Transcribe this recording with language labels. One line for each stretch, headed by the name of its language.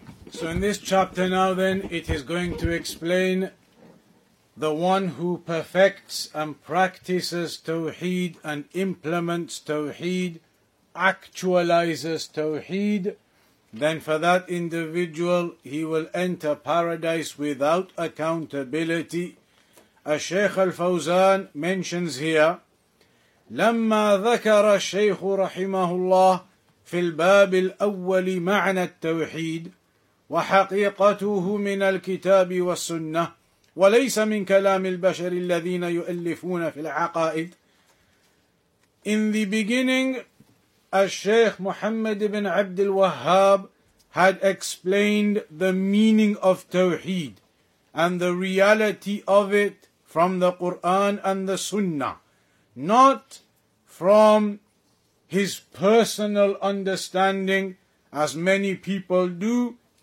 English: So in this chapter now then, it is going to explain the one who perfects and practices Tawheed and implements Tawheed, actualizes Tawheed, then for that individual, he will enter paradise without accountability. As Shaykh Al-Fawzan mentions here,
Arabic: لَمَّا ذَكَرَ الشَّيْخُ رَحِمَهُ اللَّهُ فِي الْبَابِ الْأَوَّلِ مَعْنَى التَّوْحِيدِ وحقيقته من الكتاب والسنة وليس من كلام البشر الذين يؤلفون في العقائد.
English: In the beginning, Al-Shaykh Muhammad ibn Abd al-Wahhab had explained the meaning of Tawheed and the reality of it from the Quran and the Sunnah, not from his personal understanding, as many people do.